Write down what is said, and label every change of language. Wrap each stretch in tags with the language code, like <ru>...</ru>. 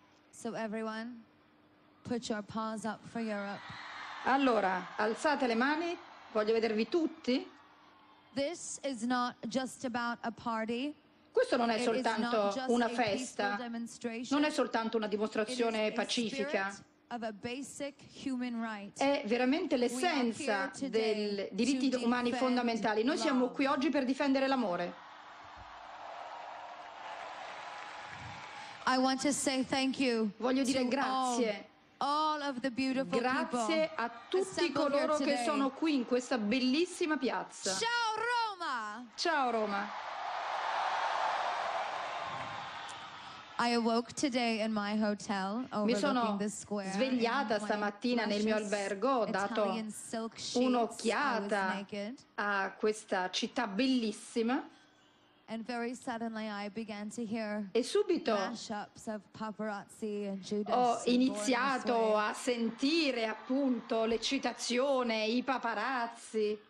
<en>So everyone, put your paws up for Europe.</en> <it>Allora, alzate le mani, voglio vedervi tutti.</it> <en>This is not just about a party.</en> <it>Questo non è soltanto una festa, non è soltanto una dimostrazione pacifica.</it> <en>A of a basic human right.</en> <it>È veramente l'essenza dei diritti umani fondamentali. Noi siamo qui oggi per difendere l'amore.</it> <en>I want to say thank you.</en> <it>Voglio dire grazie.</it> <en>All of the beautiful</en> <it>grazie</it> <en>people</en> <it>a tutti coloro che sono qui in questa bellissima piazza. Ciao Roma! Ciao Roma!</it> <en>I awoke today in my hotel,</en> <it>mi sono svegliata stamattina nel mio albergo, ho dato un'occhiata a questa città bellissima.</it> <en>And very suddenly I began to hear</en> <it>e subito</it> <en>mashups of paparazzi and Judas</en> <it>ho iniziato a sentire appunto l'eccitazione, i paparazzi.</it>